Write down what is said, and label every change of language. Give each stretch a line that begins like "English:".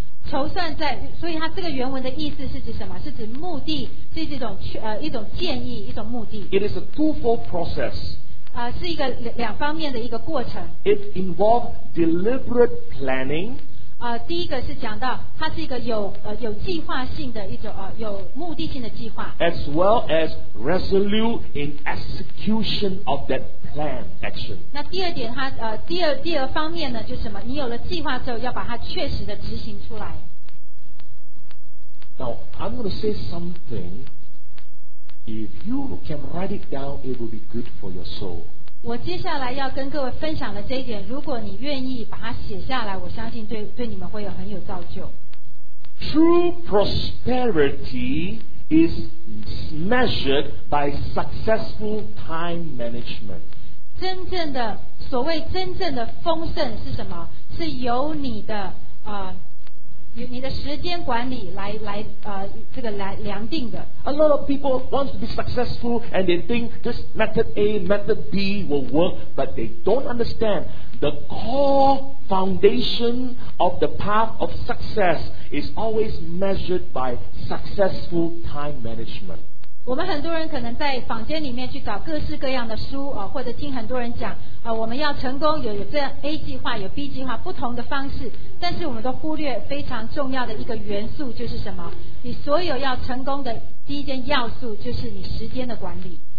Chinese: 筹算在，所以它这个原文的意思是指什么？是指目的，是这种一种建议，一种目的。
English: It is a twofold process.
Chinese: 是一个两方面的一个过程。
English: It involves deliberate planning.
Chinese: 第一个是讲到它是一个有计划性的一种有目的性的计划。
English: As well as resolute in execution of that plan action.
Chinese: 那第二点，第二方面呢，就是什么？你有了计划之后，要把它确实的执行出来。
English: Now I'm going to say something. If you can write it down, it will be good for your soul.
Chinese: 我接下来要跟各位分享的这一点，如果你愿意把它写下来，我相信对你们会有很有造就。
English: True prosperity is measured by successful time management.
Chinese: 真正的所谓真正的丰盛是什么？是由你的你的时间管理来这个来量定的。
English: A lot of people want to be successful and they think this method A, method B will work, but they don't understand the core foundation of the path of success is always measured by successful time management.
Chinese: 我们很多人可能在坊间里面去找各式各样的书或者听很多人讲我们要成功有这样 A 计划有 B 计划不同的方式，但是我们都忽略非常重要的一个元素，就是什么？你所有要成功的第一件要素就是你时间的管理。